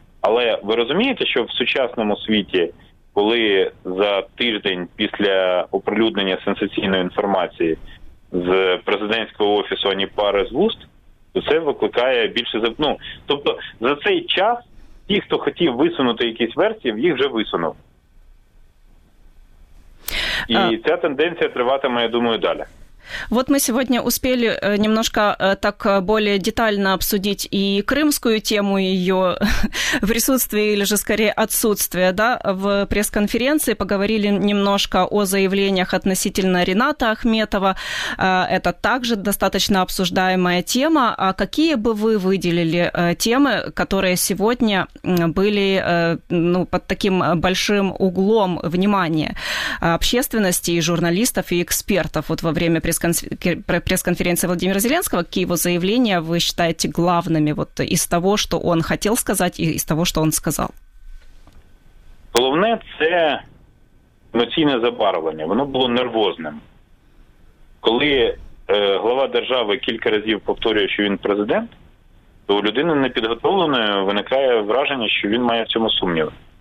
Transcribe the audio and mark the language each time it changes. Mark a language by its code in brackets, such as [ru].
[uk] Але ви розумієте, що в сучасному світі, коли за тиждень після оприлюднення сенсаційної інформації з президентського офісу ані пари з вуст, то це викликає більше за... Ну, тобто за цей час ті, хто хотів висунути якісь версії, їх вже висунув. І ця тенденція триватиме, я думаю, далі. [ru] Вот мы сегодня успели немножко так более детально обсудить и крымскую тему ее присутствия или же скорее отсутствия, да, в пресс-конференции. Поговорили немножко о заявлениях относительно Рината Ахметова. Это также достаточно обсуждаемая тема. А какие бы вы выделили темы, которые сегодня были под таким большим углом внимания общественности и журналистов, и экспертов вот во время пресс-конференции Владимира Зеленского? Какие его заявления вы считаете главными вот из того, что он хотел сказать, и из того, что он сказал? [uk] Головне – це емоційне забарвлення. Воно було нервозним. Коли глава держави кілька разів повторює, що він президент, то у людини непідготовленої виникає враження, що він має в цьому сумніви.